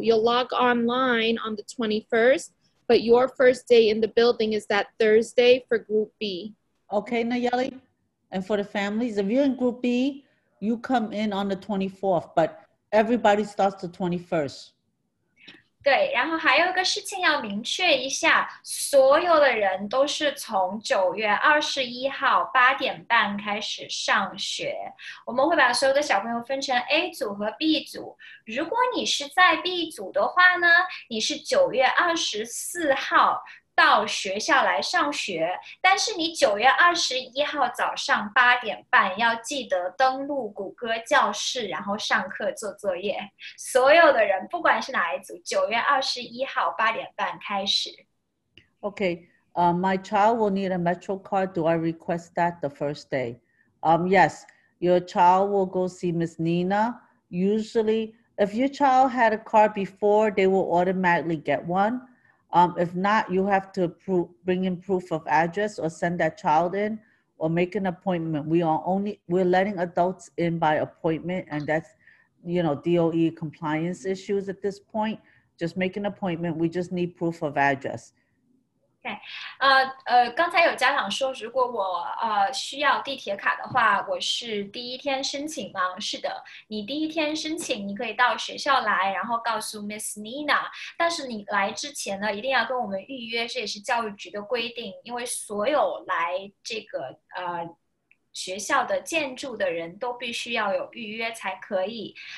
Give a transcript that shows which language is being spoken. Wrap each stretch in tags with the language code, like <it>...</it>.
<en>You'll log online on the 21st, but your first day in the building is that Thursday for Group B. Okay, Nayeli. And for the families, if you're in Group B, you come in on the 24th, but everybody starts the 21st.</en> <zh>对，然后还有一个事情要明确一下，所有的人都是从9月21号8点半开始上学。我们会把所有的小朋友分成 A 组和 B 组。如果你是在 B 组的话呢，你是9月24号到学校来上学，但是你9月21号早上8点半要记得登录谷歌教室，然后上课做作业。所有的人，不管是哪一组，9月21号8点半开始。</zh> <en>Okay, my child will need a metro card. Do I request that the first day? Yes, your child will go see Miss Nina. Usually, If your child had a card before, they will automatically get one. If not, you have to bring in proof of address or send that child in or make an appointment. We're letting adults in by appointment, and that's, you know, DOE compliance issues at this point. Just make an appointment. We just need proof of address. Okay.</en> <zh>刚才有家长说，如果我需要地铁卡的话，我是第一天申请吗？是的，你第一天申请，你可以到学校来，然后告诉 Miss Nina。但是你来之前呢，一定要跟我们预约，这也是教育局的规定，因为所有来这个学校的建筑的人都必须要有预约才可以。</zh>